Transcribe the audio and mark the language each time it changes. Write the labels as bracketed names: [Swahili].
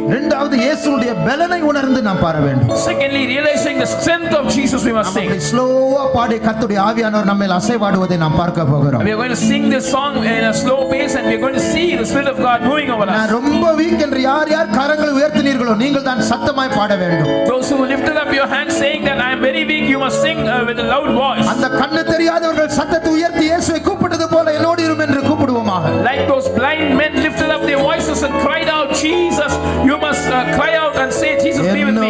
[Tamil] இரண்டாவது இயேசுவின் பலனை உணர்ந்து நாம் பாட வேண்டும். [English] Secondly realizing the strength of Jesus we must sing. [Tamil] ஸ்லோவா பாடி கர்த்தருடைய ஆவியானவர் நம்மை அசைவாடுவதை நாம் பார்க்க போகிறோம். [English] We are going to sing this song in a slow pace and we are going to see the spirit of God moving over us. [Tamil] நான் ரொம்ப week என்று யார் யார் கரங்களை உயர்த்தினீர்களோ நீங்கள் தான் சத்தமாய் பாட வேண்டும். [English] Those who lifted up your hands saying that I am very weak you must sing with a loud voice. [Tamil] அந்த கண்ணு தெரியாதவர்கள் சத்தத்தை உயர்த்தி இயேசுவை கூப்பிட்டது போல என்னோடு இரும் என்று கூப்பிடுவோமாக. [English] Like those blind men lifted up their voices and cried out Jesus you must cry out and say Jesus be with me